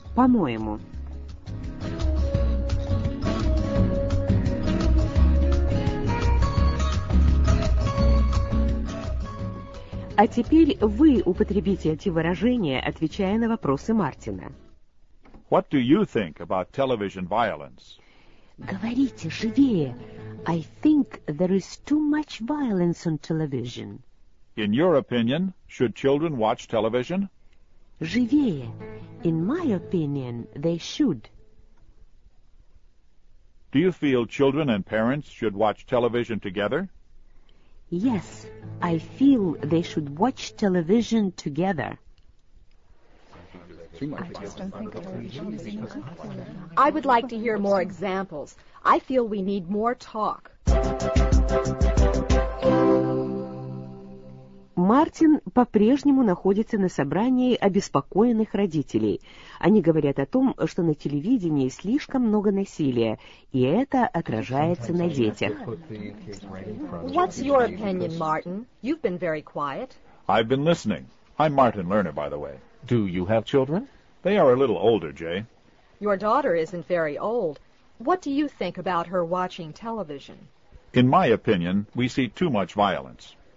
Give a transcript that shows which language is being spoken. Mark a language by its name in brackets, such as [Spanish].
[Russian] По-моему. А теперь вы употребите эти выражения, отвечая на вопросы Мартина. [English] What do you think about television violence? [Russian] Говорите живее. [English] I think there is too much violence on television. In your opinion, should children watch television? [Russian] Живее. [English] In my opinion, they should. Do you feel children and parents should watch television together? Yes, I feel they should watch television together. I would like to hear more examples. I feel we need more talk. [Russian] Мартин по-прежнему находится на собрании обеспокоенных родителей. Они говорят о том, что на телевидении слишком много насилия, и это отражается на детях. [English] What's your opinion, Martin? You've been very quiet. I've been listening. I'm Martin Lerner, by the way. Do you have children? They are a little older, Jay. Your daughter isn't very old. What do you think about her watching television? In my opinion, we see too much violence.